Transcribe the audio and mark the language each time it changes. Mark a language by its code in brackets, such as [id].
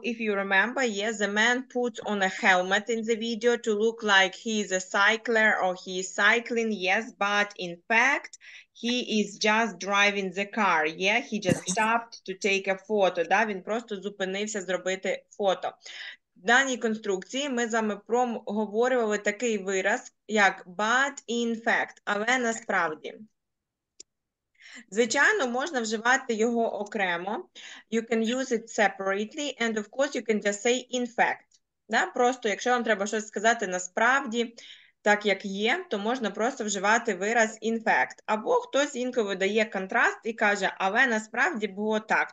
[en] If you remember, yes, the man puts on a helmet in the video to look like he is a cycler or he is cycling, yes, but in fact, he is just driving the car, yeah, he just stopped to take a photo, [uk] да, він просто зупинився зробити фото. В даній конструкції ми з вами проговорювали такий вираз, як [en] but in fact, [uk] але насправді. Звичайно, можна вживати його окремо. [en] You can use it separately and of course you can just say in fact. [uk] Да? Просто якщо вам треба щось сказати насправді, так як є, то можна просто вживати вираз in fact. Або хтось інколи дає контраст і каже, але насправді було так.